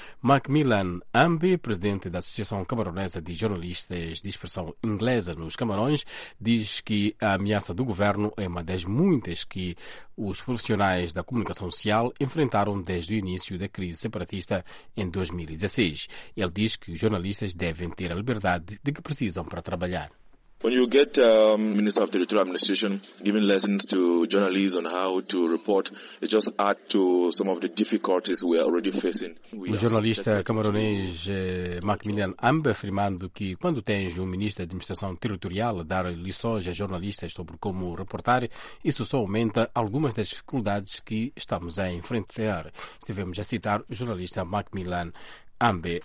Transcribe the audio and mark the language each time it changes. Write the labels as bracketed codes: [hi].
[pt] Macmillan Ambi, presidente da Associação Camaronesa de Jornalistas de Expressão Inglesa nos Camarões, diz que a ameaça do governo é uma das muitas que os profissionais da comunicação social enfrentaram desde o início da crise separatista em 2016. Ele diz que os jornalistas devem ter a liberdade de que precisam para trabalhar. [en] When you get Minister of Territorial Administration giving lessons to journalists on how to report, it just adds to some of the difficulties we are already facing. [pt] O jornalista camaronês Macmillan Ambe, afirmando que quando tens um ministro da administração territorial a dar lições a jornalistas sobre como reportar, isso só aumenta algumas das dificuldades que estamos a enfrentar. Estivemos a citar o jornalista Macmillan Ambe.